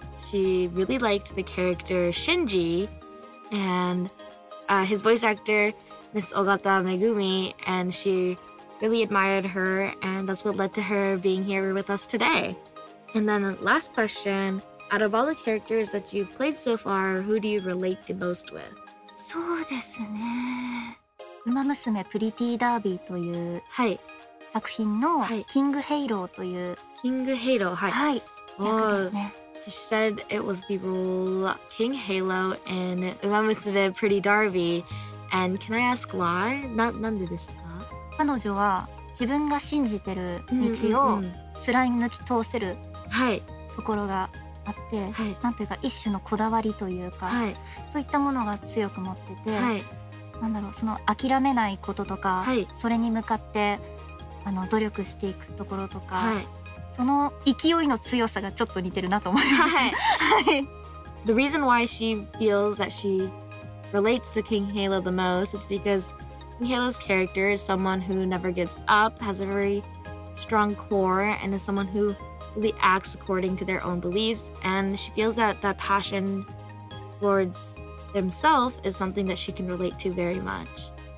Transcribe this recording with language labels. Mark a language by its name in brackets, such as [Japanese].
[English] She really liked the character Shinji, and his voice actor, Miss Ogata Megumi, and she really admired her, and that's what led to her being here with us today. And then last question, out of all the characters that you've played so far, who do you relate the most with? [Japanese] そうですね。ウマ娘プリティダービーという作品のキングヘイローという。キングヘイロー、はい。はい。役ですね。 [English] So she said it was the role King Halo in Umamusume Pretty Darby. And can I ask why? [Japanese] なんでですか? 彼女は自分が信じてる道を貫き通せるところがあって、はい、なんというか一種のこだわりというか、はい、そういったものが強く持ってて、はい、なんだろう、その諦めないこととか、はい、それに向かってあの努力していくところとか、はい、その勢いの強さがちょっと似てるなと思います。はい、はい、 [English] The reason why she feels that she relates to King Halo the most is because King Halo's character is someone who never gives up, has a very strong core, and is someone who really acts according to their own beliefs. And she feels that that passion towards themselves is something that she can relate to very much.